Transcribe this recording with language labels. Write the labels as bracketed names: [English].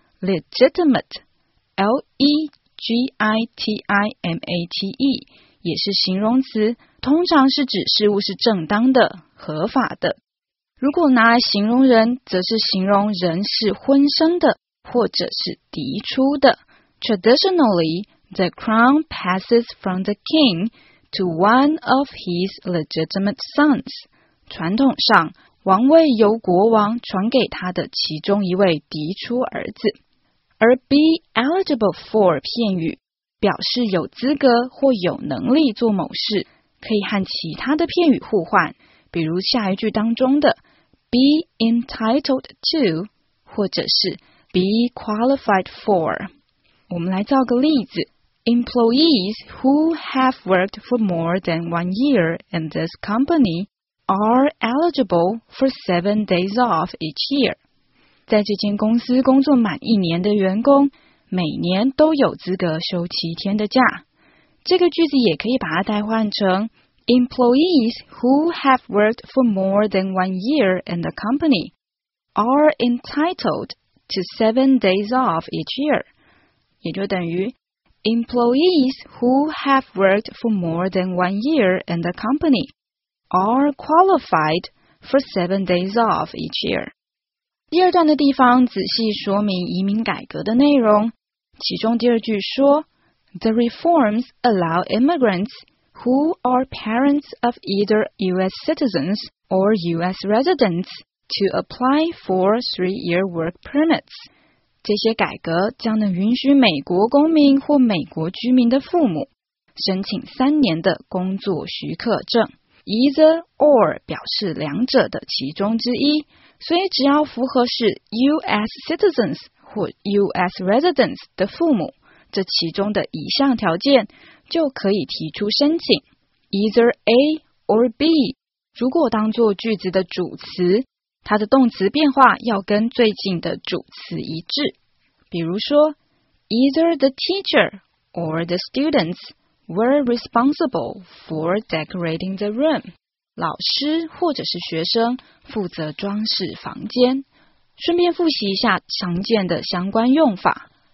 [Chinese] Legitimate, L-E-G-I-T-I-M-A-T-E, 也是形容词，通常是指事物是正当的、合法的。如果拿来形容人，则是形容人是婚生的，或者是嫡出的。 [English] Traditionally, the crown passes from the king to one of his legitimate sons. [Chinese] 传统上，王位由国王传给他的其中一位嫡出儿子。而 be eligible for 片语表示有资格或有能力做某事，可以和其他的片语互换，比如下一句当中的 be entitled to 或者是 be qualified for。我们来造个例子， [English] Employees who have worked for more than 1 year in this company are eligible for 7 days off each year。 [Chinese] 在这间公司工作满一年的员工，每年都有资格休七天的假。这个句子也可以把它代换成 [English] Employees who have worked for more than 1 year in the company are entitled to 7 days off each year. [Chinese] 也就等于 [English] Employees who have worked for more than 1 year in the company are qualified for 7 days off each year. [Chinese] 第二段的地方仔细说明移民改革的内容。其中第二句说 [English] The reforms allow immigrants who are parents of either U.S. citizens or U.S. residents to apply for 3-year work permits. [Chinese] 这些改革将能允许美国公民或美国居民的父母申请3年的工作许可证。 Either or 表示两者的其中之一，所以只要符合是 U.S. citizens 或 U.S. residents 的父母这其中的一项条件就可以提出申请。 Either A or B 如果当作句子的主词，它的动词变化要跟最近的主词一致。比如说 [English] Either the teacher or the students were responsible for decorating the room. [Chinese] 老师或者是学生负责装饰房间。顺便复习一下常见的相关用法。